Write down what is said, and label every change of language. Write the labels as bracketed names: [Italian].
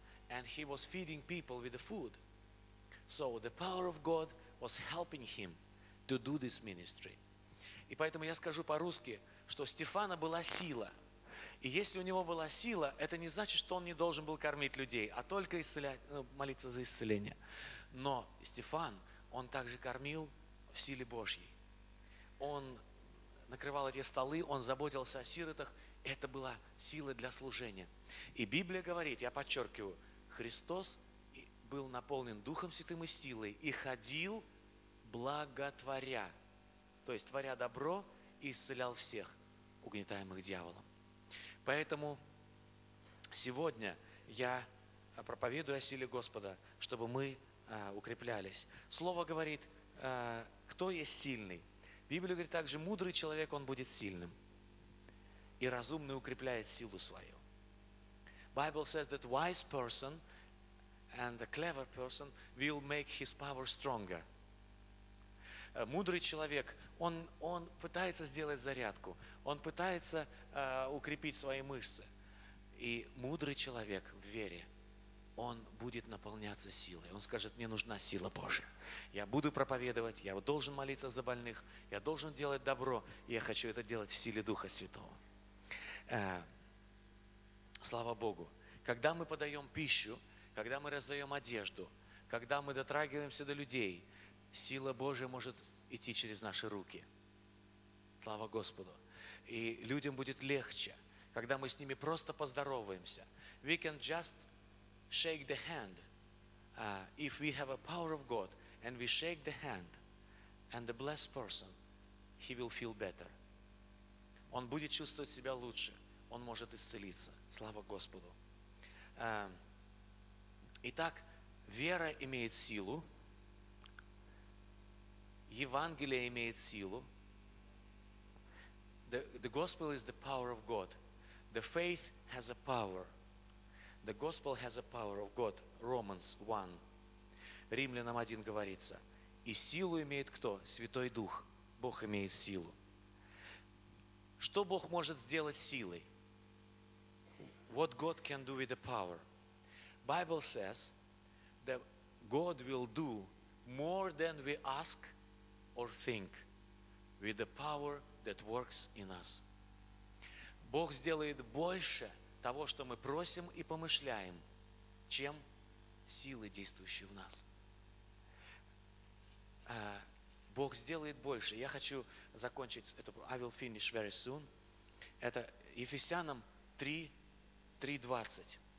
[English] And he was feeding people with the food. So the power of God was helping him to do this ministry. [Russian] И поэтому я скажу по-русски, что у Стефана была сила. И если у него была сила, это не значит, что он не должен был кормить людей, а только исцелять, ну, молиться за исцеление. Но Стефан, он также кормил в силе Божьей. Он накрывал эти столы, он заботился о сиротах. Это была сила для служения. И Библия говорит, я подчеркиваю, Христос был наполнен Духом Святым и силой и ходил благотворя, то есть творя добро и исцелял всех, угнетаемых дьяволом. Поэтому сегодня я проповедую о силе Господа, чтобы мы укреплялись. Слово говорит, кто есть сильный. Библия говорит также, мудрый человек, он будет сильным. И разумный укрепляет силу свою. [English] Bible says that wise person and a clever person will make his power stronger. [Russian] Мудрый человек, он пытается сделать зарядку, он пытается укрепить свои мышцы. И мудрый человек в вере, он будет наполняться силой. Он скажет, мне нужна сила Божия. Я буду проповедовать, я должен молиться за больных, я должен делать добро, и я хочу это делать в силе Духа Святого. Слава Богу! Когда мы подаем пищу, когда мы раздаем одежду, когда мы дотрагиваемся до людей, сила Божия может идти через наши руки. Слава Господу! И людям будет легче, когда мы с ними просто поздороваемся. [English] We can just shake the hand. If we have a power of God and we shake the hand and the blessed person, he will feel better. [Russian] Он будет чувствовать себя лучше. Он может исцелиться. Слава Господу! Итак, вера имеет силу, [English] Евангелие имеет силу, the gospel is the power of God, the faith has a power, the gospel has a power of God, Romans 1, [Russian] Римлянам 1 говорится, и силу имеет кто? Святой Дух, Бог имеет силу. Что Бог может сделать силой? [English] What God can do with the power? Bible says that God will do more than we ask or think with the power that works in us. [Russian] Бог сделает больше того, что мы просим и помышляем, чем силы, действующие в нас. Бог сделает больше. Я хочу закончить эту... [English] I will finish very soon. [Russian] Это Ефесянам 3:20.